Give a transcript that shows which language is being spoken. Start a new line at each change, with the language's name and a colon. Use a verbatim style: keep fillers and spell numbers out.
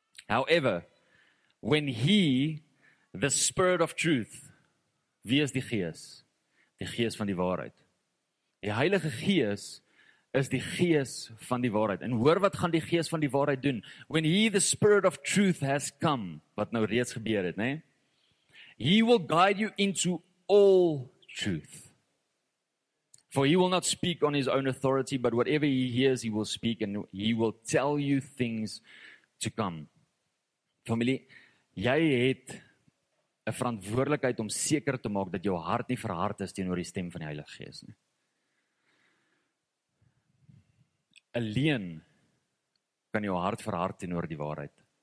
English: However, when he, the Spirit of Truth,
Afrikaans: wie is die Gees? Die Gees van die waarheid. Die Heilige Gees is die Gees van die waarheid. En hoor wat gaan die Gees van die waarheid doen?
English: When he, the Spirit of Truth, has come,
Afrikaans: wat nou reeds gebeur het, né?
English: He will guide you into all truth. For he will not speak on his own authority, but whatever he hears, he will speak, and he will tell you things to come.
Afrikaans: Familie, jy het 'n verantwoordelikheid om seker te maak dat jou hart nie verhard is teenoor die stem van die Heilige Gees nie. Alleen kan jou hart verhard teenoor die waarheid.